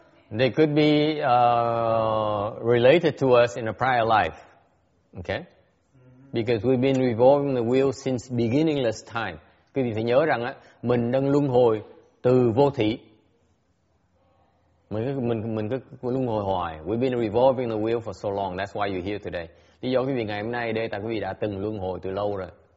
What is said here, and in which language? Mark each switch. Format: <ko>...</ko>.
<en>They could be related to us in a prior life, okay? Because we've been revolving the wheel since beginningless time.</en> <vi>Quý vị phải nhớ rằng á, mình đang luân hồi từ vô thủy. Mình cứ luân hồi hoài.</vi> <en>We've been revolving the wheel for so long. That's why you're here today.</en> <vi>Lý do quý vị ngày hôm nay đây, tại quý vị đã từng luân hồi từ lâu rồi.</vi>